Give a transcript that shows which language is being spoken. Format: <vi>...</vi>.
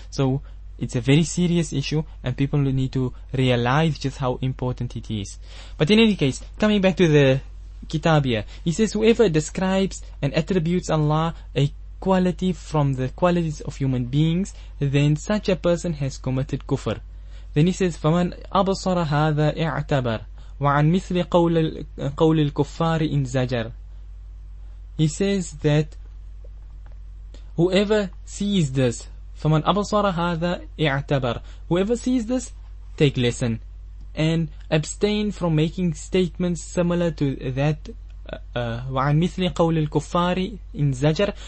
<en>So, it's a very serious issue and people need to realize just how important it is. But in any case, coming back to the kitab here, he says, whoever describes and attributes Allah a quality from the qualities of human beings, then such a person has committed kufr. Then he says,</en> <ar>فَمَنْ أَبْصَرَ هَذَا اِعْتَبَرْ وَعَنْ مِثْلِ قَوْلِ الْكُفَّارِ إِنْ زَجَرْ.</ar> <en>He says that whoever sees this,</en> <ar>فَمَنْ أَبْصَرَ هَذَا اِعْتَبَرْ.</ar> <en>Whoever sees this, take lesson. And abstain from making statements similar to that.</en> <ar>وَعَنْ مِثْلِ قَوْلِ الْكُفَّارِ إِنْ زَجَرْ.</ar>